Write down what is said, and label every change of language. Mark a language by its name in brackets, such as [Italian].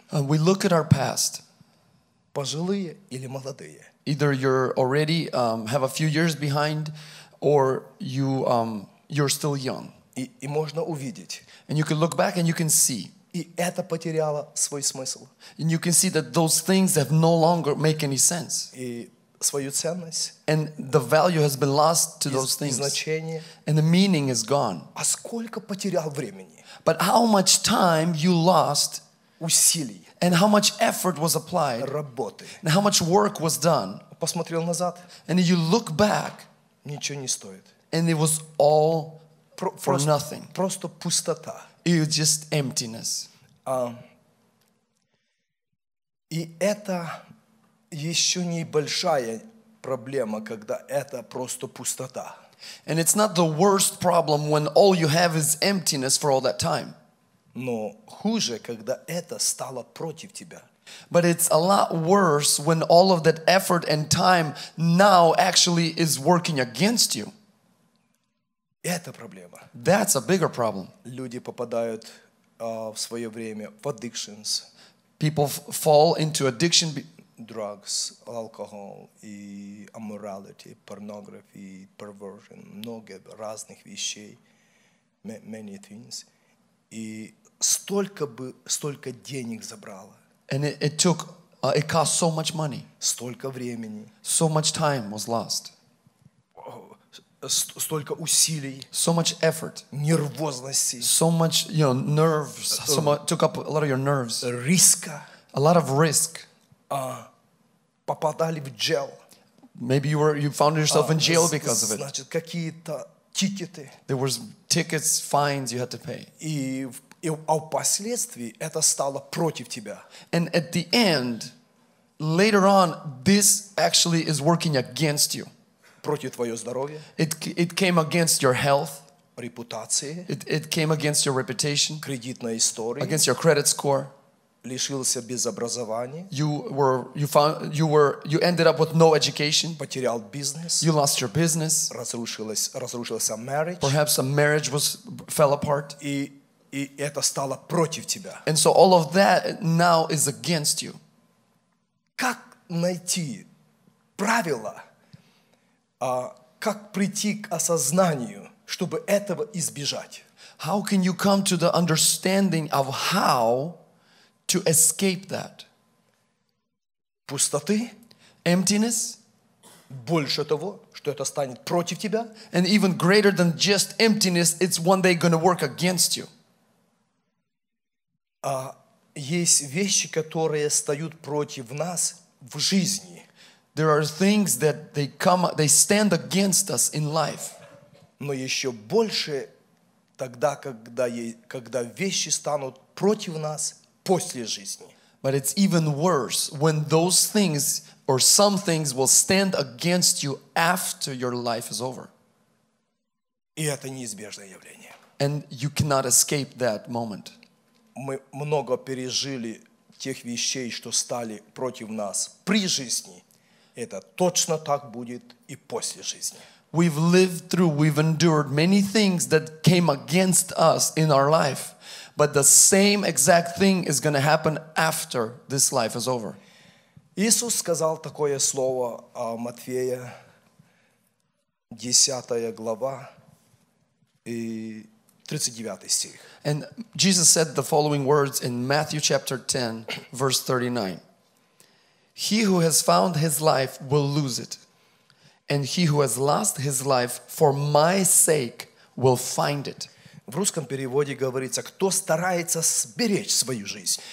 [English] We look at our past. [Russian] Пожилые или молодые. [English] Either you're already have a few years behind, or you you're still young. [Russian] И можно увидеть. [English] And you can look back and you can see. [Russian] И это потеряло свой смысл. [English] And you can see that those things have no longer make any sense. [Russian] И свою ценность. [English] And the value has been lost to those things. [Russian] И значение. [English] And the meaning is gone. [Russian] А сколько потерял времени? [English] But how much time you lost? [Russian] Усилий. [English] And how much effort was applied? [Russian] Работы. [English] And how much work was done? [Russian] Посмотрел назад. [English] And you look back. [Russian] Ничего не стоит. [English] And it was all for nothing. [Russian] Просто пустота. [English] It was just emptiness. [Russian] И это еще небольшая проблема, когда это просто пустота. [English] And it's not the worst problem when all you have is emptiness for all that time. [Russian] Но хуже, когда это стало против тебя. [English] But it's a lot worse when all of that effort and time now actually is working against you. [Russian] Это проблема. [English] That's a bigger problem. [Russian] Люди попадают в свое время в addictions. [English] People fall into addiction. Drugs, alcohol, и immorality, pornography, perversion, [Russian] много разных вещей, [English] many things. [Russian] И столько денег забрало. [English] And it cost so much money. [Russian] Столько времени. [English] So much time was lost. [Russian] Столько усилий. [English] So much effort. [Russian] Нервозности. [English] So much, you know, nerves. So much, took up a lot of your nerves. [Russian] Риска. [English] A lot of risk. [Russian] Попадали в jail. [English] Maybe you found yourself in jail because of it. [Russian] Значит, какие-то тикеты. [English] There was tickets, fines you had to pay. [Russian] И впоследствии это стало против тебя. [English] And at the end, later on, this actually is working against you. [Russian] Против твоего здоровья. [English] It came against your health. [Russian] Репутации. [English] It came against your reputation. [Russian] Кредитная история. [English] Against your credit score. [Russian] Лишился без образования. [English] You ended up with no education. [Russian] Потерял бизнес. [English] You lost your business. [Russian] Разрушилась marriage. [English] Perhaps a marriage fell apart. [Russian] И это стало против тебя. [English] And so all of that now is against you. [Russian] Как найти правила, как прийти к осознанию, чтобы этого избежать? [English] How can you come to the understanding of how to escape that? [Russian] Пустоты? [English] Emptiness? [Russian] Больше того, что это станет против тебя? [English] And even greater than just emptiness, it's one day going to work against you. [Russian] Есть вещи, которые стоят против нас в жизни. [English] There are things that they stand against us in life. [Russian] Но еще больше тогда, когда вещи станут против нас после жизни. [English] But it's even worse when those things or some things will stand against you after your life is over. [Russian] И это неизбежное явление. [English] And you cannot escape that moment. [Russian] Мы много пережили тех вещей, что стали против нас при жизни. Это точно так будет и после жизни. [English] We've lived through, we've endured many things that came against us in our life. But the same exact thing is going to happen after this life is over. [Russian] Иисус сказал такое слово о Матфея, 10 глава, и 39 стих. [English] And Jesus said the following words in Matthew chapter 10, verse 39. He who has found his life will lose it. And he who has lost his life for my sake will find it. [Russian] В русском переводе говорится, кто старается сберечь свою жизнь.